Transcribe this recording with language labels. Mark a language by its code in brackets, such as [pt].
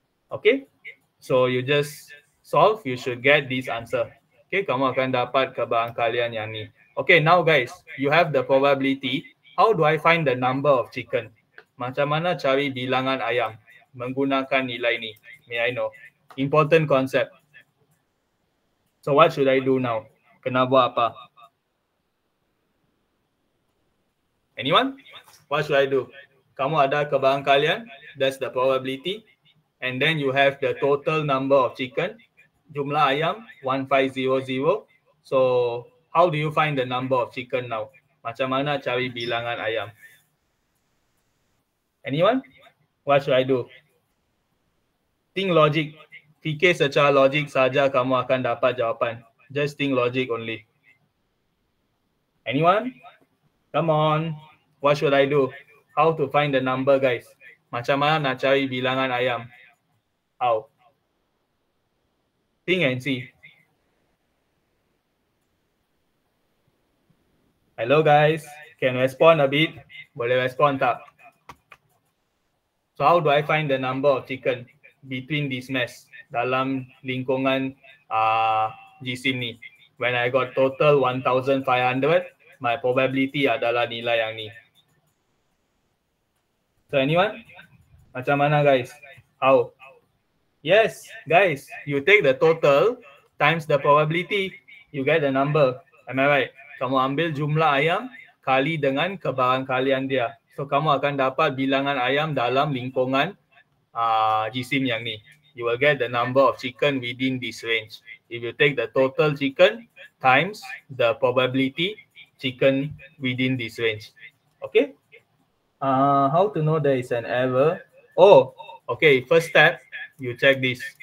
[en] Okay, so you just solve, you should get this answer. [ms] Okay, kamu akan dapat kebangkalian yang ni. [en] Okay, now guys, you have the probability. How do I find the number of chicken? [ms] Macam mana cari bilangan ayam menggunakan nilai ni? [en] May I know? Important concept. So what should I do now? [ms] Kena buat apa? [en] Anyone? What should I do? [ms] Kamu ada kebangkalian, [en] that's the probability. And then you have the total number of chicken. [ms] Jumlah ayam 1500. [en] So how do you find the number of chicken now? [ms] Macam mana cari bilangan ayam? [en] Anyone? What should I do? Think logic. [ms] Fikir secara logik saja kamu akan dapat jawapan. [en] Just think logic only. Anyone? Come on. What should I do? How to find the number guys? [ms] Macam mana nak cari bilangan ayam? [en] How? Think and see. Hello guys, can respond a bit? [ms] Boleh respond tak? [en] So how do I find the number of chicken between this mess [ms] dalam lingkungan jisim ni? [en] When I got total 1,500, my probability [ms] adalah nilai yang ni. [en] So anyone? [ms] Macam mana [en] guys? How? Yes, guys, you take the total times the probability, you get the number. Am I right? [ms] Kamu ambil jumlah ayam kali dengan kebarangkalian dia. So kamu akan dapat bilangan ayam dalam lingkungan jisim yang ni. [en] You will get the number of chicken within this range. If you take the total chicken times the probability chicken within this range. Okay? How to know there is an error? Oh, okay. First step, you check this.